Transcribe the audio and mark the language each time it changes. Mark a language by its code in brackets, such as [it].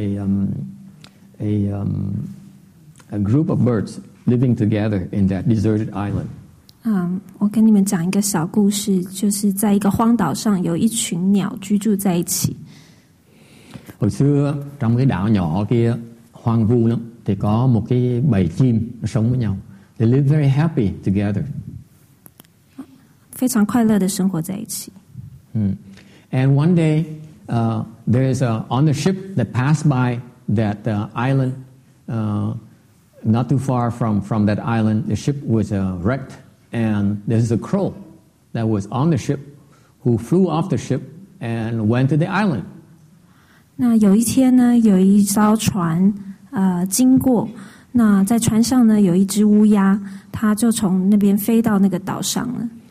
[en] There is a group of birds living together in that deserted island. [zh] 我跟你们讲一个小故事，就是在一个荒岛上有一群鸟居住在一起。 [vi] Hồi xưa trong cái đảo nhỏ kia hoang vu lắm, thì có một cái bầy chim sống với nhau. [en] They live very happy together. [zh] 非常快乐的生活在一起。 [en] And one day, there is a on the ship that passed by that island, not too far from that island, the ship was wrecked. And there is a crow that was on the ship who flew off the ship and went to the island. [zh] 那有一天呢，有一艘船经过，那在船上呢有一只乌鸦，它就从那边飞到那个岛上了。